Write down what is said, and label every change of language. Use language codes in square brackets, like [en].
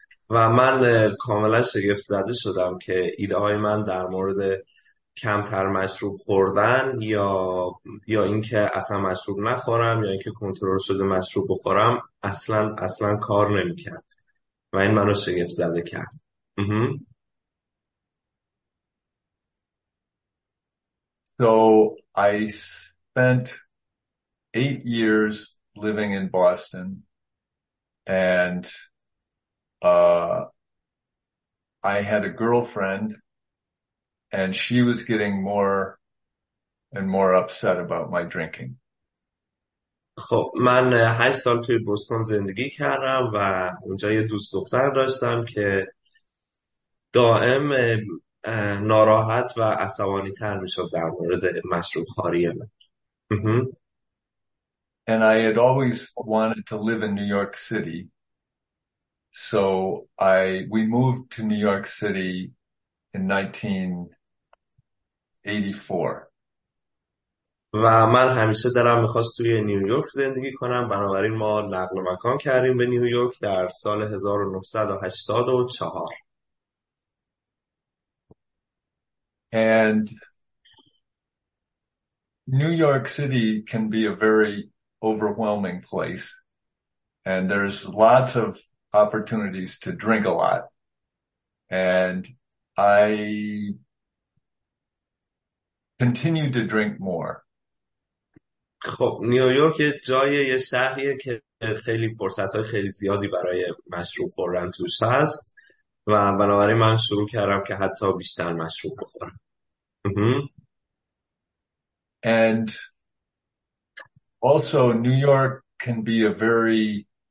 [fa] و من کاملا شگفت زده شدم که ایده های من در مورد کمتر مشروب خوردن یا اینکه اصلا مشروب نخورم یا اینکه کنترل شده مشروب بخورم اصلا کار نمی کرد و این منو شگفت زده کرد. [en] So I spent 8 years living in Boston, and I had a girlfriend, and she was getting more and more upset about my drinking. [fa] خب من 8 سال توی بوستون زندگی کردم و اونجا یه دوست دختر داشتم که دائم ناراحت و عصبانی تر می شد در مورد مشروب خواری من. [en] And I had always wanted to live in New York City. So we moved to New York City in 1984. [fa] و من همیشه دلم میخواست توی نیویورک زندگی کنم، بنابراین ما نقل مکان کردیم به نیویورک در سال 1984. [en] And New York City can be a very overwhelming place, and there's lots of opportunities to drink a lot, and I continue to drink more. [fa] خب نیویورک یه شهریه که خیلی فرصت‌های خیلی زیادی برای مشروب خوردن توش هست و بنابراین من شروع کردم که حتی بیشتر مشروب بخورم. [en] And also, New York can be a very